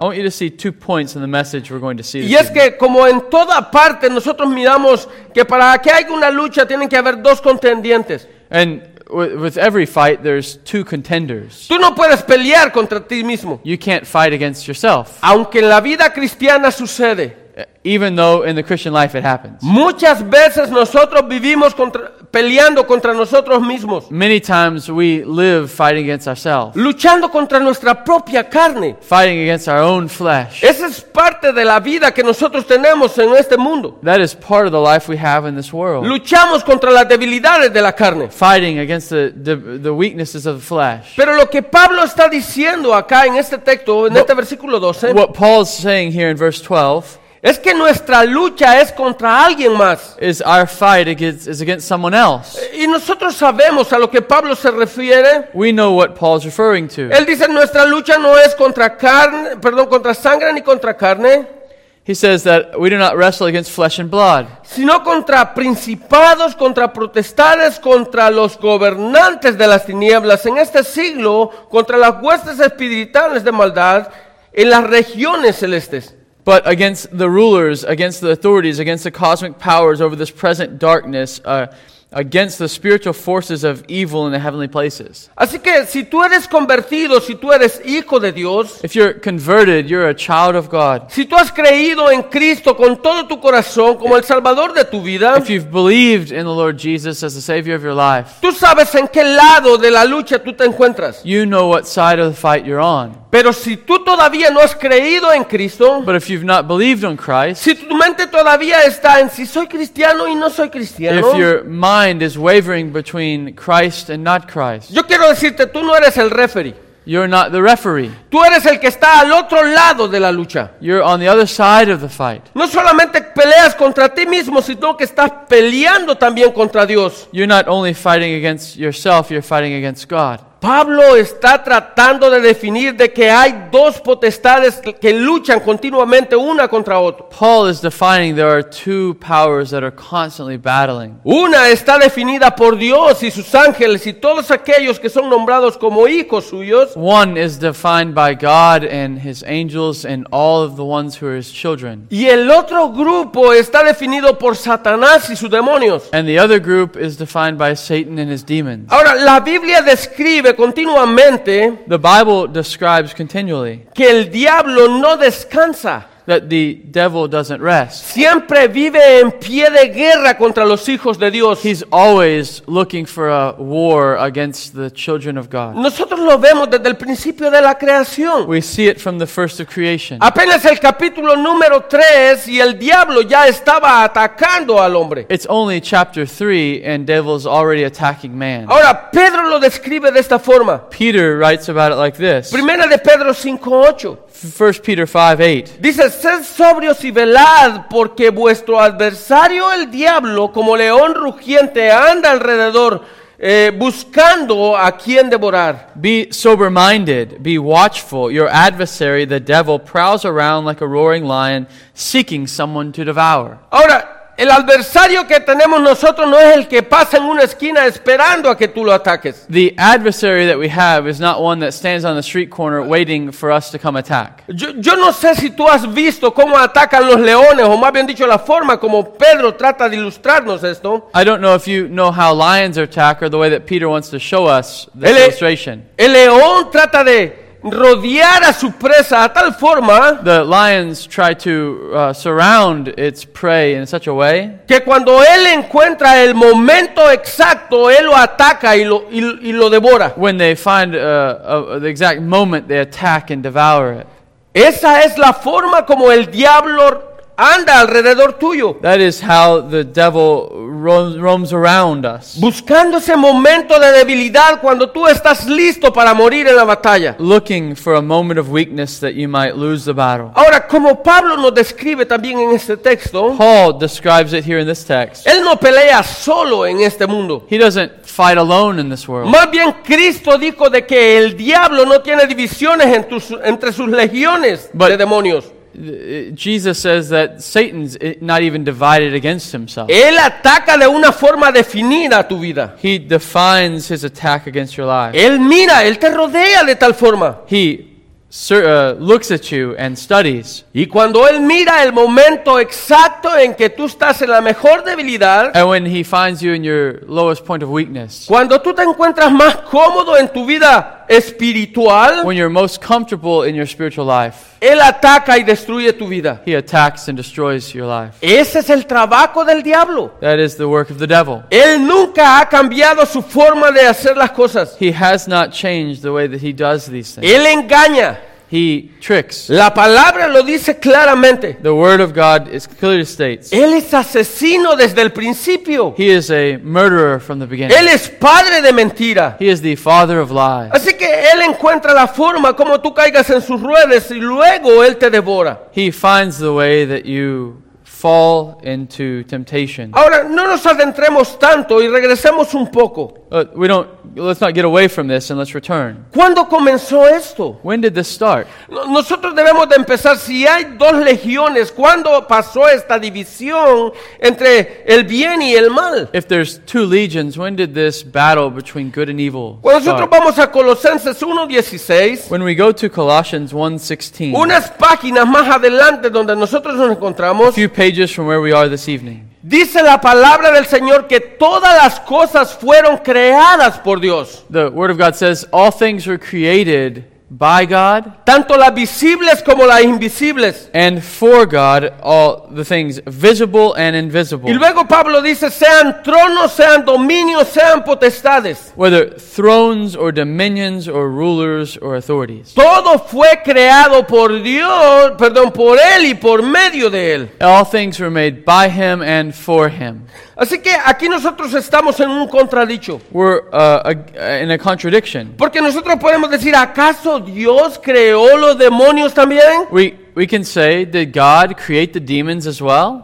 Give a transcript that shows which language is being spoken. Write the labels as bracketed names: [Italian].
[English] I want you to see two points in the message we're going to see. [Spanish] Y es que como en toda parte nosotros miramos que para que haya una lucha tienen que haber dos contendientes. [English] And With every fight, there's two contenders. [Spanish] Tú no puedes pelear contra ti mismo. [English] You can't fight against yourself. [Spanish] Aunque en la vida cristiana sucede. [English] Even though in the Christian life it happens. [Spanish] Muchas veces nosotros vivimos peleando contra nosotros mismos. [English] Many times we live fighting against ourselves. [Spanish] Luchando contra nuestra propia carne. [English] Fighting against our own flesh. [Spanish] Esa es parte de la vida que nosotros tenemos en este mundo. [English] That is part of the life we have in this world. [Spanish] Luchamos contra las debilidades de la carne. [English] Fighting against the weaknesses of the flesh. [Spanish] Pero lo que Pablo está diciendo acá en este texto, en este versículo 12. [English] What Paul's saying here in verse 12. [Spanish] Es que nuestra lucha es contra alguien más. [English] Is our fight against, is against someone else. [Spanish] Y nosotros sabemos a lo que Pablo se refiere. [English] We know what Paul's referring to. [Spanish] Él dice nuestra lucha no es contra carne, perdón, contra sangre ni contra carne. [English] He says that we do not wrestle against flesh and blood. [Spanish] Sino contra principados, contra potestades, contra los gobernantes de las tinieblas en este siglo, contra las huestes espirituales de maldad en las regiones celestes. [English] But against the rulers, against the authorities, against the cosmic powers over this present darkness, against the spiritual forces of evil in the heavenly places. [Spanish] Así que si tú eres convertido, si tú eres hijo de Dios, [English] if you're converted, you're a child of God. [Spanish] Si tú has creído en Cristo con todo tu corazón como el salvador de tu vida, [English] if you've believed in the Lord Jesus as the savior of your life. [Spanish] Tú sabes en qué lado de la lucha tú te encuentras. [English] You know what side of the fight you're on. [Spanish] Pero si tú todavía no has creído en Cristo, [English] but if you've not believed on Christ. [Spanish] Si tu mente todavía está en si soy cristiano y no soy cristiano, [English] if your mind is wavering between Christ and not Christ. [Spanish] Yo quiero decirte, tú no eres el referee. [English] You're not the referee. [Spanish] Tú eres el que está al otro lado de la lucha. [English] You're on the other side of the fight. [Spanish] No solamente peleas contra ti mismo, sino que estás peleando también contra Dios. [English] You're not only fighting against yourself, you're fighting against God. [Spanish] Pablo está tratando de definir de que hay dos potestades que luchan continuamente una contra otra. [English] Paul is defining there are two powers that are constantly battling. [Spanish] Una está definida por Dios y sus ángeles y todos aquellos que son nombrados como hijos suyos. [English] One is defined by God and his angels and all of the ones who are his children. [Spanish] Y el otro grupo está definido por Satanás y sus demonios. [English] And the other group is defined by Satan and his demons. [Spanish] Ahora, la Biblia describe continuamente, [English] the Bible describes continually [Spanish] que el diablo no descansa, [English] that the devil doesn't rest. [Spanish] Siempre vive en pie de guerra contra los hijos de Dios. [English] He's always looking for a war against the children of God. [Spanish] Nosotros lo vemos desde el principio de la creación. [English] We see it from the first of creation. [Spanish] Apenas el capítulo número 3 y el diablo ya estaba atacando al hombre. [English] It's only chapter 3 and devil's already attacking man. [Spanish] Ahora Pedro lo describe de esta forma. [English] Peter writes about it like this. [Spanish] Primera de Pedro 5:8. [English] 1 Peter 5:8. [Spanish] Dice, sed sobrios y velad, porque vuestro adversario el diablo, como león rugiente, anda alrededor, buscando a quien devorar. [English] Be sober-minded, be watchful. Your adversary, the devil, prowls around like a roaring lion, seeking someone to devour. [Spanish] Ahora, el adversario que tenemos nosotros no es el que pasa en una esquina esperando a que tú lo ataques. [English] The adversary that we have is not one that stands on the street corner waiting for us to come attack. [Spanish] Yo no sé si tú has visto cómo atacan los leones, o más bien dicho, la forma como Pedro trata de ilustrarnos esto. [English] I don't know if you know how lions attack or the way that Peter wants to show us the illustration. [Spanish] El león trata de rodear a su presa a tal forma, [English] the lions try to surround its prey in such a way [Spanish] que cuando él encuentra el momento exacto, él lo ataca y lo devora. [English] When they find the exact moment, they attack and devour it. [Spanish] Esa es la forma como el diablo anda alrededor tuyo. [English] That is how the devil roams around us. [Spanish] Buscando ese momento de debilidad cuando tú estás listo para morir en la batalla. [English] Looking for a moment of weakness that you might lose the battle. [Spanish] Ahora, como Pablo nos describe también en este texto, [English] Paul describes it here in this text. [Spanish] Él no pelea solo en este mundo. [English] He doesn't fight alone in this world. [Spanish] Más bien Cristo dijo de que el diablo no tiene divisiones entre sus legiones de demonios. [English] Jesus says that Satan's not even divided against himself. [Spanish] Él ataca de una forma definida tu vida. [English] He defines his attack against your life. [Spanish] Él mira, él te rodea de tal forma. [English] He looks at you and studies. [Spanish] Y cuando él mira el momento exacto en que tú estás en la mejor debilidad. [English] And when he finds you in your lowest point of weakness. [Spanish] Cuando tú te encuentras más cómodo en tu vida espiritual. [English] When you're most comfortable in your spiritual life. [Spanish] Él ataca y destruye tu vida. [English] He attacks and destroys your life. [Spanish] Ese es el trabajo del diablo. [English] That is the work of the devil. [Spanish] Él nunca ha cambiado su forma de hacer las cosas. [English] He has not changed the way that he does these things. [Spanish] Él engaña. [English] He tricks. [Spanish] La palabra lo dice claramente. [English] The word of God is clearly states. [Spanish] Él es asesino desde el principio. [English] He is a murderer from the beginning. [Spanish] Él es padre de mentira. [English] He is the father of lies. [Spanish] Así que él encuentra la forma como tú caigas en sus redes y luego él te devora. [English] He finds the way that you fall into temptation. [Spanish] Ahora no nos adentremos tanto y regresemos un poco. [English] Let's not get away from this and let's return. [Spanish] ¿Cuándo comenzó esto? [English] When did this start? [Spanish] Nosotros debemos de empezar, si hay dos legiones, ¿cuándo pasó esta división entre el bien y el mal? [English] If there's two legions, when did this battle between good and evil start? [Spanish] Cuando nosotros vamos a Colosenses 1:16, [English] when we go to Colossians 1:16, [Spanish] unas páginas más adelante donde nosotros nos encontramos, [English] a few pages from where we are this evening. [Spanish] Dice la palabra del Señor que todas las cosas fueron creadas por Dios. [English] The word of God says all things were created by God. [Spanish] Tanto las visibles como las invisibles. [English] And for God all the things visible and invisible. [Spanish] Y luego Pablo dice sean tronos, sean dominios, sean potestades. [English] Whether thrones or dominions or rulers or authorities. [Spanish] Todo fue creado por Dios, perdón, por él y por medio de él. [English] All things were made by him and for him. [Spanish] Así que aquí nosotros estamos en un contradicho. [English] We're in a contradiction. [Spanish] Porque nosotros podemos decir, ¿acaso Dios creó los demonios también? [English] We can say, did God create the demons as well?